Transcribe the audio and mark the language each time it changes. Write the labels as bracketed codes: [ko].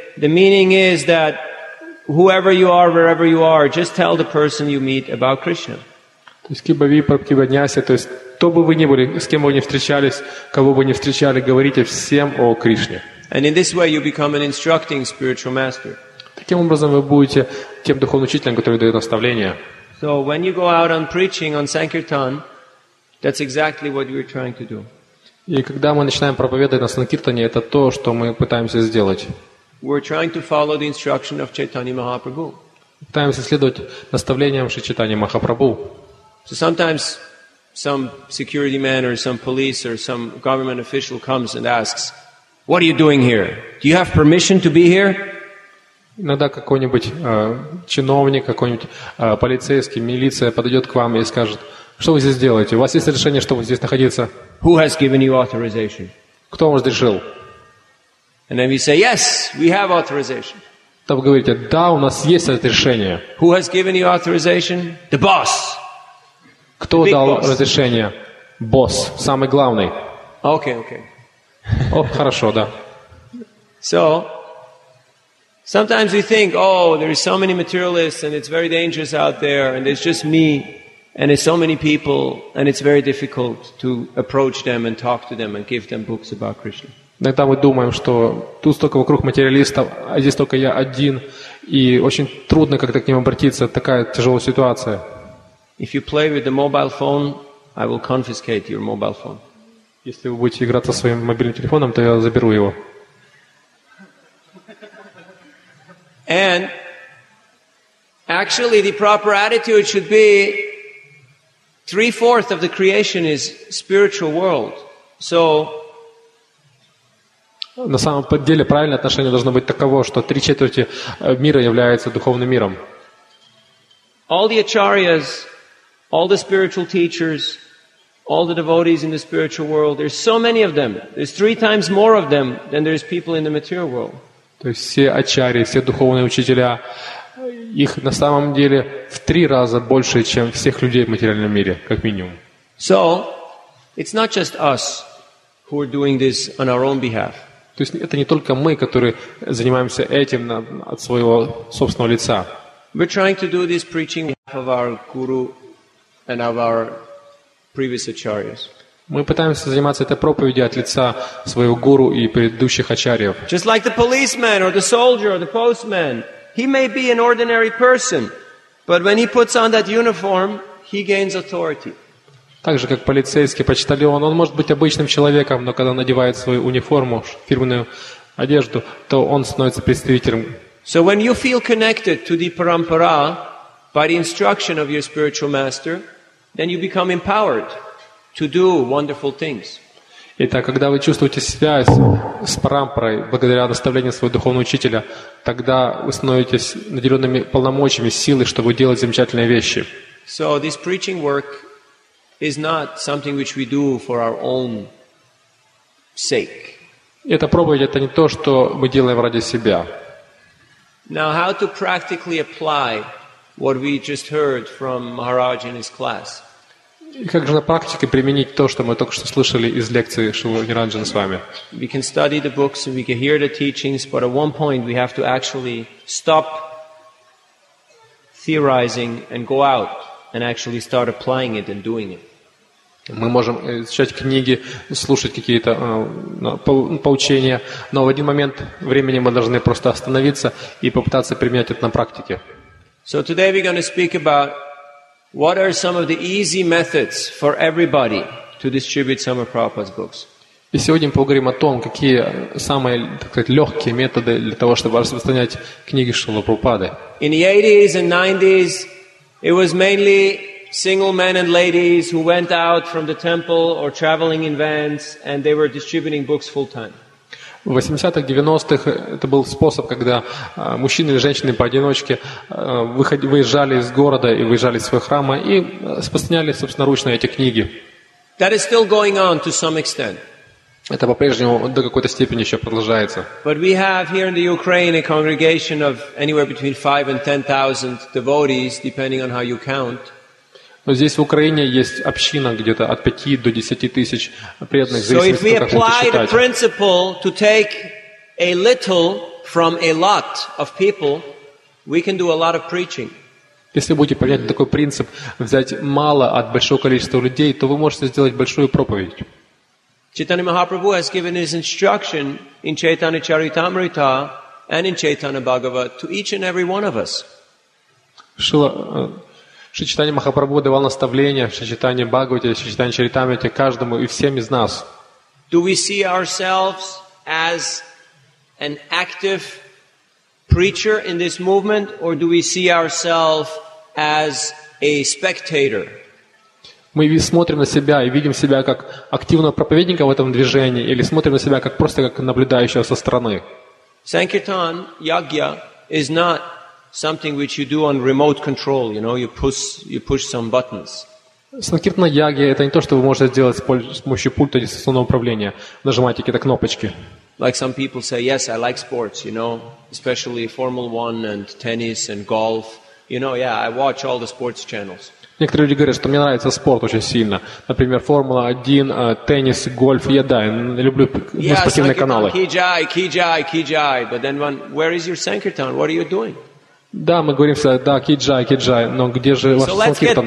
[en] The meaning is that whoever you are, wherever you are, just tell the person you meet about Krishna. [ru] То есть [bn] киба випра киба няся, [ru] то есть кто бы вы ни были, с кем бы вы ни встречались, кого бы вы ни встречали, говорите всем о Кришне. [en] And in this way you become an instructing spiritual master. [ru] Таким образом вы будете тем духовным учителем, который дает наставления. [en] So when you go out on preaching on Sankirtan, that's exactly what we're trying to do. [ru] И когда мы начинаем проповедовать на Санкиртане, это то, что мы пытаемся сделать. [en] We're trying to follow the instruction of Chaitanya Mahaprabhu. [ru] Пытаемся следовать наставлениям Шри Чайтаньи Махапрабху. [en] So sometimes some security man or some police or some government official comes and asks, "What are you doing here? Do you have permission to be here?" [ru] Иногда какой-нибудь чиновник, какой-нибудь полицейский, милиция подойдет к вам и скажет, "Что вы здесь делаете? У вас есть разрешение, чтобы здесь находиться?" [en] Who has given you authorization? [ru] Кто вам разрешил? [en] And then we say, "Yes, we have authorization." [ru] Там говорите, "Да, у нас есть разрешение." [en] Who has given you authorization? The boss. [ru] Кто дал разрешение? Босс, самый главный. [en] Okay, okay. [ru] О, хорошо, да. [en] So, sometimes we think, oh, there is so many materialists and it's very dangerous out there and it's just me and it's so many people and it's very difficult to approach them and talk to them and give them books about Krishna. [ru] Иногда мы думаем, что тут столько вокруг материалистов, а здесь только я один и очень трудно как-то к ним обратиться, такая тяжелая ситуация. [en] If you play with the mobile phone, I will confiscate your mobile phone. [ru] Если вы будете играть со своим мобильным телефоном, то я заберу его. [en] And actually, the proper attitude should be 3/4 of the creation is spiritual world. So. [ru] На самом деле, правильное отношение должно быть таково, что 3/4 мира является духовным миром. [en] All the acharyas. All the spiritual teachers, all the devotees in the spiritual world, there's so many of them. There's 3 times more of them than there's people in the material world. [ru] То есть все ачарьи, все духовные учителя, их на самом деле в 3 раза больше, чем всех людей в материальном мире, как минимум. [en] So, it's not just us who are doing this on our own behalf. [ru] То есть это не только мы, которые занимаемся этим от своего собственного лица. [en] We're trying to do this preaching on behalf of our guru and of our previous acharyas. [ru] Мы пытаемся заниматься этой проповедью от лица своего гуру и предыдущих ачарьев. [en] Just like the policeman or the soldier or the postman, he may be an ordinary person, but when he puts on that uniform, he gains authority. [ru] Так же как полицейский, почтальон, он может быть обычным человеком, но когда надевает свою униформу, фирменную одежду, то он становится представителем. [en] So when you feel connected to the parampara, by the instruction of your spiritual master, then you become empowered to do wonderful things. [ru] Итак, когда вы чувствуете связь с парампрой благодаря наставлению своего духовного учителя, тогда вы становитесь наделенными полномочиями, силой, чтобы делать замечательные вещи. [en] So this preaching work is not something which we do for our own sake. [ru] Эта проповедь это не то, что мы делаем ради себя. [en] Now, how to practically apply what we just heard from Maharaj in his class. [ru] И как же на практике применить то, что мы только что слышали из лекции Шрилы Ниранджана с вами? [en] We can study the books and we can hear the teachings, but at one point we have to actually stop theorizing and go out and actually start applying it and doing it. [ru] Мы можем изучать книги, слушать какие-то поучения, но в один момент времени мы должны просто остановиться и попытаться применять это на практике. [en] So today we're going to speak about what are some of the easy methods for everybody to distribute some of Prabhupada's books. [ru] И сегодня мы поговорим о том, какие самые, так сказать, легкие методы для того, чтобы распространять книги Шрилы Прабхупады. [en] In the 80s and 90s, it was mainly single men and ladies who went out from the temple or traveling in vans, and they were distributing books full-time. [ru] В 80-х, 90-х это был способ, когда мужчины и женщины поодиночке выезжали из города и выезжали из своего храма и распространяли собственноручно эти книги. [en] That is still going on to some extent. [ru] Это по-прежнему до какой-то степени еще продолжается. [en] But we have here in the Ukraine a congregation of anywhere between 5,000 and 10,000 devotees, depending on how you count. [ru] Но здесь в Украине есть община где-то от 5 до 10 тысяч преданных, в зависимости от того, как это считать. [en] A little from a lot of people, we can do a lot of preaching. [ru] Если будете понять такой принцип, взять мало от большого количества людей, то вы можете сделать большую проповедь. [en] Чайтанья Махапрабху has given his instruction in Chaitanya Charitamrita and in Chaitanya Bhagavat to each and every one of us. [ru] Шри Чайтанья Махапрабху давал наставления, Шри Чайтанья Бхагавате, Шри Чайтанья Чаритамрите каждому и всем из нас. [en] Do we see ourselves as an active preacher in this movement, or do we see ourselves as a spectator? [ru] Мы смотрим на себя и видим себя как активного проповедника в этом движении, или смотрим на себя как просто как наблюдающего со стороны? [en] Sankirtan Yagya is not something which you do on remote control, you know, you push some buttons. [ru] Санкиртана Ягья это не то, что вы можете сделать с помощью пульта дистанционного управления, нажимаете какие-то кнопочки. [en] Like some people say, yes, I like sports, you know, especially Formula One and tennis and golf. You know, yeah, I watch all the sports channels. [ru] Некоторые люди говорят, что мне нравится спорт очень сильно. Например, Формула 1, теннис, гольф, я да, люблю спортивные каналы. [en] Yes, Kijai, Kijai, Kijai, but then where is your Sankirtan? What are you doing? [ru] Да, мы говорим всегда, да, киджай, киджай, но где же ваша санкиртана?